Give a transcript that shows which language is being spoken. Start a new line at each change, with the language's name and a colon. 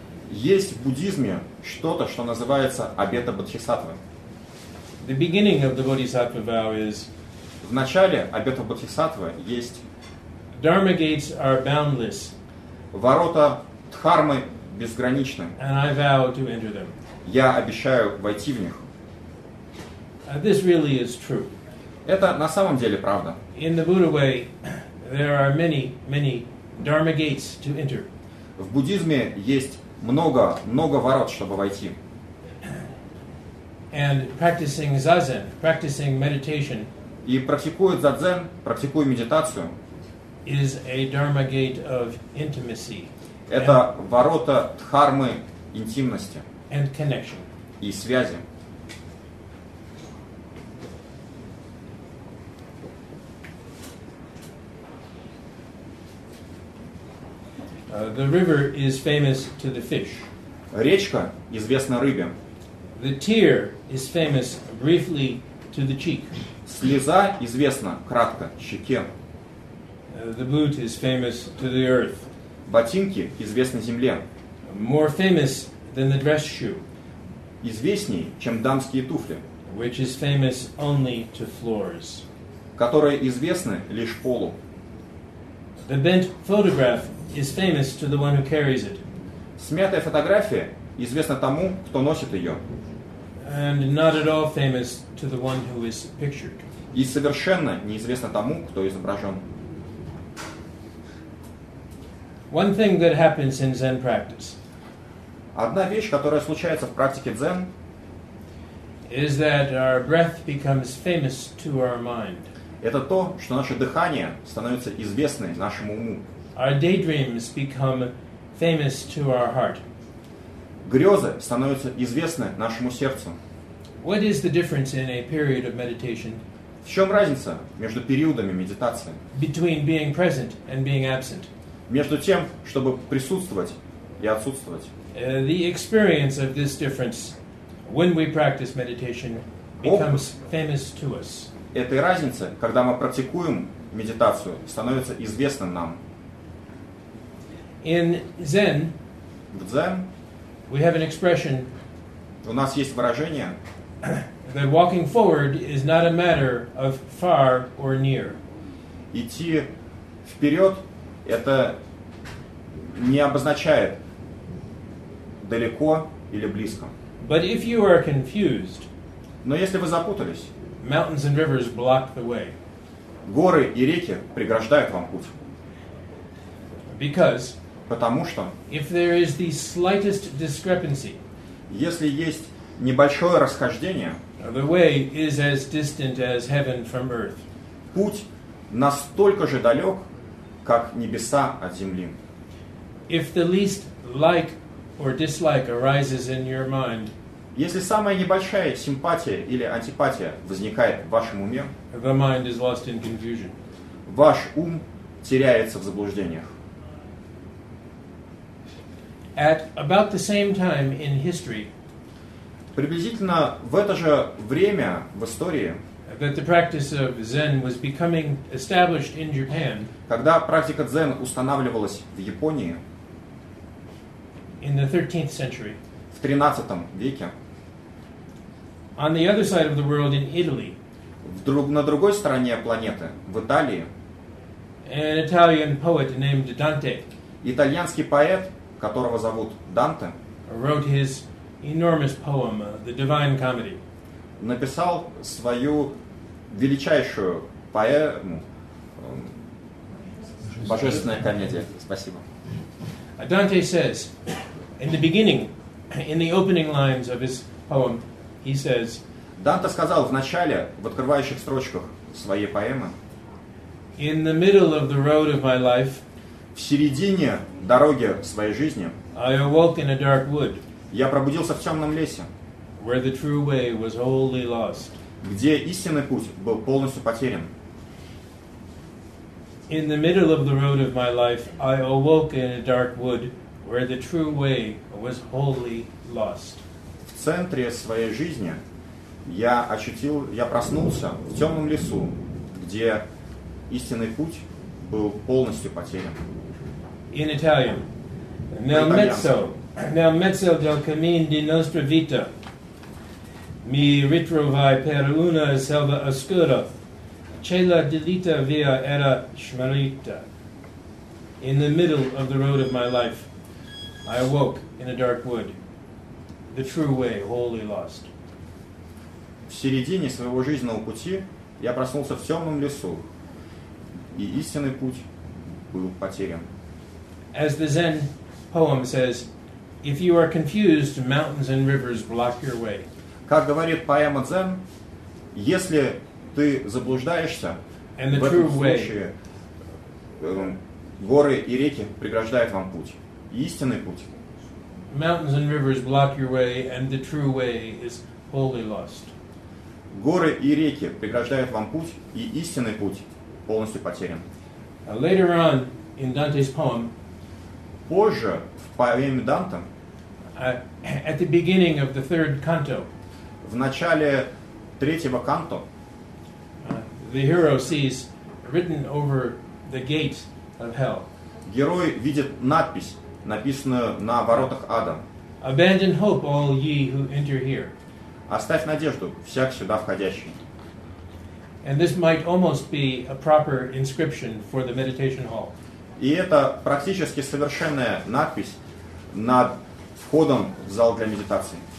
Russian: Есть в буддизме что-то, что называется обета бодхисаттвы.
English: The beginning of the Bodhisattva vow is.
Russian: В начале обета бодхисаттвы есть.
English: Dharma gates are boundless.
Russian: Ворота дхармы безграничны.
English: And I vow to enter them.
Russian: Я обещаю войти в них.
English: This really is true.
Russian: Это на самом деле правда.
English: In the Buddha way, there are many, many dharma gates to enter.
Russian: В буддизме есть много, много ворот, чтобы войти.
English: And practicing zazen, practicing meditation.
Russian: И практикуя дзадзен, практикуя медитацию.
English: Is a dharma gate of intimacy.
Russian: Это ворота дхармы интимности.
English: And connection.
Russian: И связи.
English: The river is famous to the fish.
Russian: Речка известна рыбе.
English: The tear is famous briefly to the cheek.
Russian: Слеза известна кратко щеке.
English: The boot is famous to the earth.
Russian: Ботинки известны земле.
English: More famous than the dress shoe.
Russian: Известней, чем дамские туфли.
English: Which is famous only to floors.
Russian: Которые известны лишь полу.
English: The bent photograph is famous to the one who carries it.
Russian: Смятая фотография известна тому, кто носит ее.
English: And not at all famous to the one who is pictured.
Russian: И совершенно неизвестна тому, кто изображен.
English: One thing that happens in Zen practice.
Russian: Одна вещь, которая случается в практике дзен,
English: is that our breath becomes famous to our mind.
Russian: Это то, что наше дыхание становится известным нашему уму.
English: Our daydreams become famous to our heart.
Russian: Грёзы становятся известны нашему сердцу.
English: What is the difference in a period of meditation?
Russian: В чём разница между периодами медитации?
English: Between being present and being absent.
Russian: Между тем, чтобы присутствовать и отсутствовать.
English: The experience of this difference when we practice meditation becomes famous to us.
Russian: Этой разницы, когда мы практикуем медитацию, становится известным нам.
English: In Zen,
Russian: в дзен,
English: we have an expression.
Russian: У нас есть выражение.
English: That walking forward is not a matter of far or near.
Russian: Идти вперед это не обозначает далеко или близко.
English: But if you are confused,
Russian: но если вы запутались,
English: mountains and rivers block the way.
Russian: Горы и реки преграждают вам путь.
English: Because
Russian: потому что
English: if there is the slightest discrepancy,
Russian: если есть небольшое расхождение,
English: the way is as distant as heaven from earth.
Russian: Путь настолько же далек, как небеса от земли.
English: If the least like or dislike arises in your mind,
Russian: если самая небольшая симпатия или антипатия возникает в вашем уме,
English: the mind is lost in confusion.
Russian: Ваш ум теряется в заблуждениях.
English: At about the same time in history,
Russian: приблизительно в это же время в истории,
English: that the practice of Zen was becoming established in Japan,
Russian: когда практика дзен устанавливалась в Японии,
English: in the 13th century,
Russian: в 13 веке,
English: on the other side of the world in Italy,
Russian: на другой стороне планеты, в Италии,
English: an Italian poet named Dante,
Russian: итальянский поэт, которого зовут Данте,
English: wrote his enormous poem, The Divine Comedy.
Russian: Написал свою величайшую поэму Божественная комедия. Спасибо.
English: Dante says, in the beginning, in the opening lines of his poem, he says,
Russian: Данте сказал в начале, в открывающих строчках своей поэмы,
English: in the middle of the road of my life,
Russian: в середине дороги своей жизни.
English: I awoke in a dark wood.
Russian: Я пробудился в темном лесе.
English: Where the true way was wholly lost.
Russian: Где истинный путь был полностью потерян.
English: In the middle of the road of my life, I awoke in a dark wood, where the true way was wholly lost.
Russian: В центре своей жизни я ощутил, я проснулся в темном лесу, где истинный путь был полностью потерян.
English: In Italian.
Italian: Nel mezzo del cammin di nostra vita, mi ritrovai per una selva oscura. Cella delita via era smarrita.
English: In the middle of the road of my life, I awoke in a dark wood, the true way wholly lost.
Russian: В середине своего жизненного пути я проснулся в темном лесу, и истинный путь был потерян.
English: As the Zen poem says, if you are confused, mountains and rivers block your way.
Russian: Как говорит поэма Дзен, если ты заблуждаешься,
English: and the
Russian: в
English: true
Russian: этом
English: way,
Russian: случае горы и реки преграждают вам путь. Истинный путь.
English: Mountains and rivers block your way, and the true way is wholly lost.
Russian: Горы и реки преграждают вам путь, и истинный путь полностью потерян.
English: Later on in Dante's poem,
Russian: позже в поэме Данте,
English: at the beginning of the third canto,
Russian: в начале третьего канто,
English: the hero sees written over the gates of hell.
Russian: Герой видит надпись, написанную на воротах ада.
English: Abandon hope, all ye who enter here.
Russian: Оставь надежду, всяк сюда входящий.
English: And this might almost be a proper inscription for the meditation hall.
Russian: И это практически совершенная надпись над входом в зал для медитации.